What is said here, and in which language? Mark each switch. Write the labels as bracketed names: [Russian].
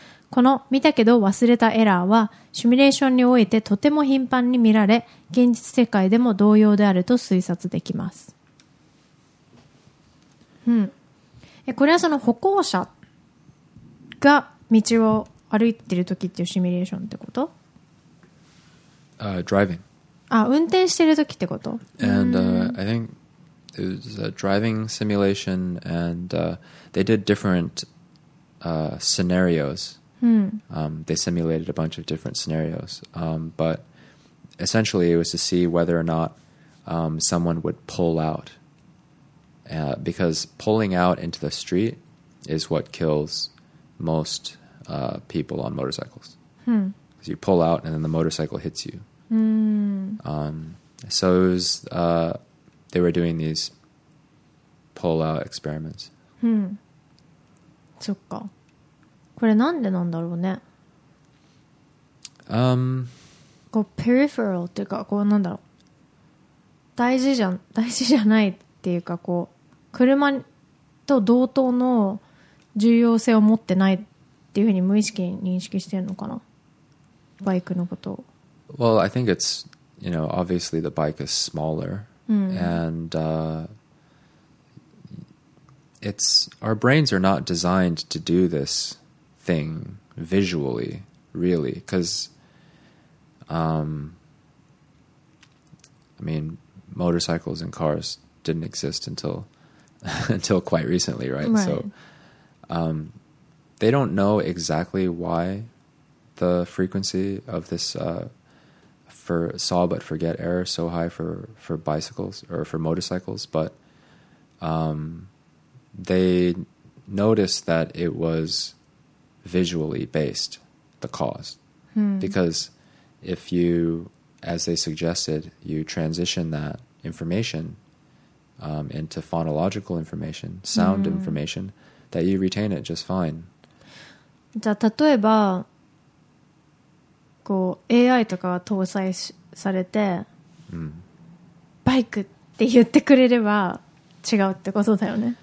[Japanese] この見たけど忘れたエラーはシミュレーションにおいてとても頻繁に見られ、現実世界でも同様であると推察できます、うん、これはその歩行者が道を歩いている時っていうシミュレーションってこと？ [English] Driving. [Japanese] あ、運転してる時ってこと？ [English] And、I think it was a driving simulation and、they did different、scenarios. They simulated a bunch of different scenarios, but essentially it was to see whether or not、someone would pull out、because pulling out into the street is what kills most、people on motorcycles. Because、you pull out and then the motorcycle hits you.、so it was,、they were doing these pull out experiments. [Japanese] そっか。これなんでなんだろうね。こうペリフェラルっていうか、こうなんだろう、大事じゃないっていうか、こう車と同等の重要性を持ってないっていうふうに無意識に認識してるのかな、バイクのことを。 [English] Well, I think it's, you know, obviously the bike is smaller、and、it's our brains are not designed to do this. Thing visually, really, because、I mean, motorcycles and cars didn't exist until until quite recently, right? Right. So、they don't know exactly why the frequency of this、for saw but forget error is so high for bicycles or for motorcycles, but、they noticed that it was. Visually based, the cause.、Because if you, as they suggested, you transition that information、into phonological information, sound、information, that you retain it just fine. [Japanese] じゃあ例えばこう AI とかが搭載されて、バイクって言ってくれれば違うってことだよね。